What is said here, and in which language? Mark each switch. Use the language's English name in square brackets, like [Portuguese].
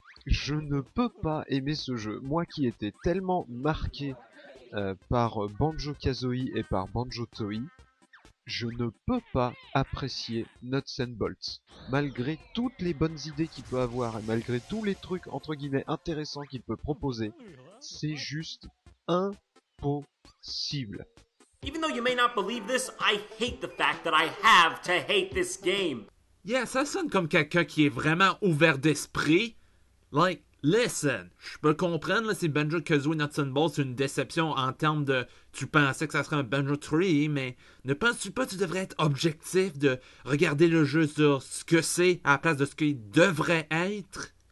[French] Je ne peux pas aimer ce jeu. Moi qui étais tellement marqué par Banjo-Kazooie et par Banjo-Tooie, je ne peux pas apprécier Nuts and Bolts. Malgré toutes les bonnes idées qu'il peut avoir et malgré tous les trucs entre guillemets intéressants qu'il peut proposer, c'est juste impossible. [English] Even though you may not believe this, I hate the fact that I have to hate this game. [French] Yeah, ça sonne comme quelqu'un qui est vraiment ouvert d'esprit. Like, listen, je peux comprendre là, si Banjo-Kazooie Nuts and Bolts c'est une déception en termes de tu pensais que ça serait un Banjo-Tooie, mais ne penses-tu pas que tu devrais être objectif de regarder le jeu sur ce que c'est à la place de ce qu'il devrait être?